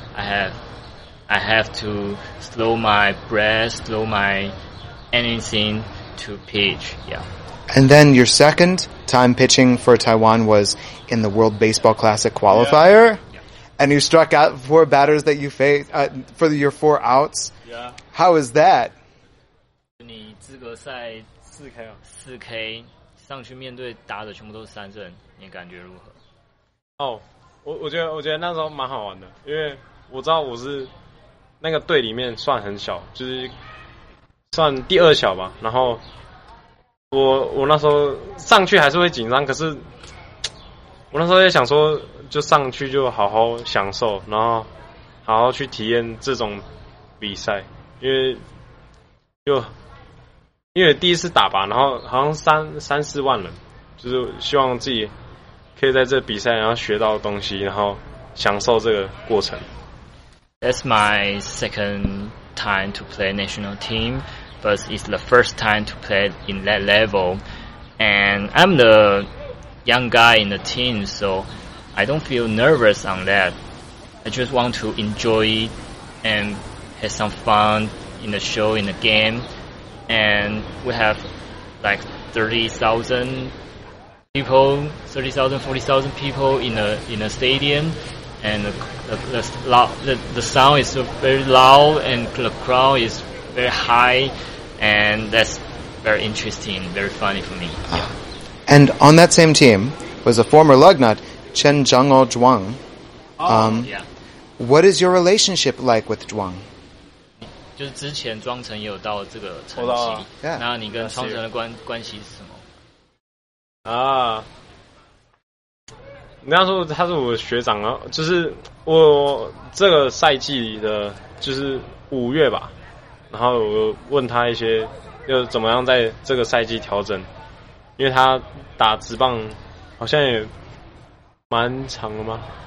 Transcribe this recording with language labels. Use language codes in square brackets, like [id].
[en] I have to slow my breath, slow my anything to pitch. Yeah. And then your second time pitching for Taiwan was in the World Baseball Classic qualifier. Yeah. And you struck out four batters that you faced for your four outs. Yeah. How is that? [zh] 你资格赛4K 上去面对打的全部都是三振，你感觉如何？哦，我觉得那时候蛮好玩的，因为我知道我是那个队里面算很小，就是算第二小吧。然后我那时候上去还是会紧张，可是我那时候也想说，就上去就好好享受，然后好好去体验这种比赛，因为第一次打吧，然后好像三四万人，就是希望自己可以在这比赛然后学到东西，然后享受这个过程。 [en] That's my second time to play national team, but it's the first time to play in that level. And I'm the young guy in the team, so I don't feel nervous on that. I just want to enjoy and have some fun in the show, in the game. And we have like 30,000 people, 30,000, 40,000 people in a stadium. And the sound is very loud and the crowd is very high. And that's very interesting, very funny for me. And on that same team was a former Lugnut, Chen Zhang-o Zhuang. What is your relationship like with Zhuang? [zh] 就是之前庄臣也有到这个层级，那你跟庄臣的关系是什么？啊，那时候他是我的学长啊，就是我这个赛季的，就是五月吧，然后我问他一些，要怎么样在这个赛季调整，因为他打职棒好像也蛮长了吗？